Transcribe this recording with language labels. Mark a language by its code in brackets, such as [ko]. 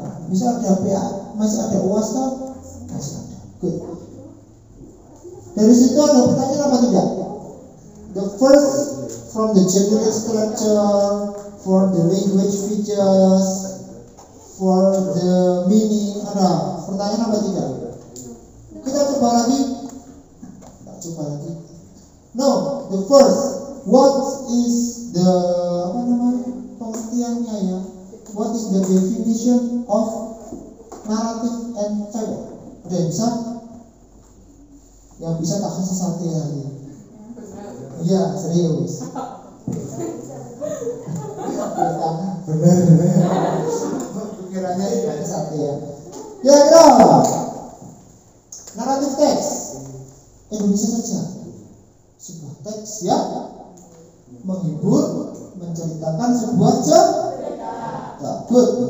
[id] Bisa ada PA, masih ada UAS kan? Masih ada. Good. Dari situ ada pertanyaan apa tidak? [en] The first from the general structure, for the language features, for the meaning. [id] Ada pertanyaan apa tidak? Kita coba lagi. [en] No, the first. What is the [id] apa namanya pengertiannya ya? [en] What is the definition of narrative and fable? [id] Udah bisa? Yang bisa tak kasih satu ya? Iya serius. Bener. Pikirannya ini ada satu ya. Ya kira. Narrative text, Indonesia saja, sebuah teks ya, menghibur, menceritakan sebuah cerita. Good.